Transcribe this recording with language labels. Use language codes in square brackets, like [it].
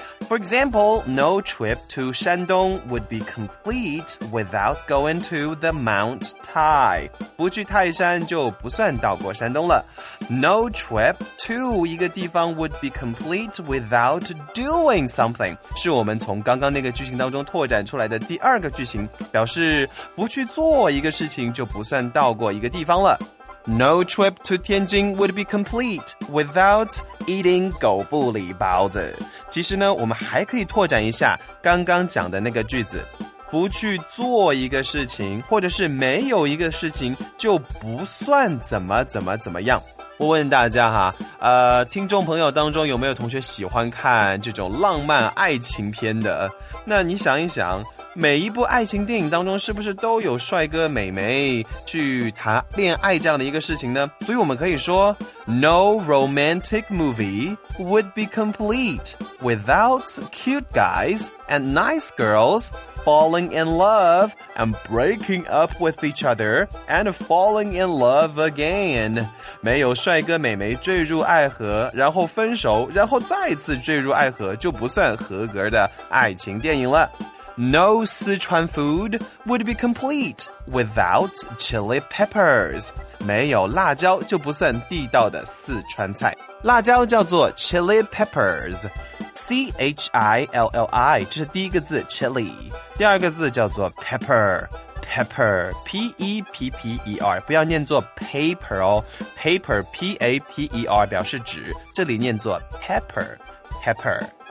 [en] For example, no trip to Shandong would be complete without going to the Mount Tai. [zh] 不去泰山就不算到过山东了。 [en] No trip to [zh] 一个地方 [en] would be complete without doing something. [zh] 是我们从刚刚那个句型当中拓展出来的第二个句型，表示不去做一个事情就不算到过一个地方了。 [en] No trip to Tianjin would be complete without eating [zh] 狗不理包子。其实呢，我们还可以拓展一下刚刚讲的那个句子，不去做一个事情，或者是没有一个事情，就不算怎么怎么怎么样。我问大家哈，听众朋友当中有没有同学喜欢看这种浪漫爱情片的？那你想一想，每一部爱情电影当中是不是都有帅哥美眉去谈恋爱这样的一个事情呢？所以我们可以说 [en] No romantic movie would be complete without cute guys and nice girls falling in love and breaking up with each other and falling in love again. [zh] 没有帅哥美眉坠入爱河，然后分手，然后再次坠入爱河，就不算合格的爱情电影了。 [en] No Sichuan food would be complete without chili peppers. [zh] 没有辣椒就不算地道的四川菜。辣椒叫做 chili peppers, C-H-I-L-L-I, 这是第一个字 chili, 第二个字叫做 pepper, pepper, P-E-P-P-E-R, 不要念作 paper 哦， paper, P-A-P-E-R, 表示纸，这里念作 pepper, pepper.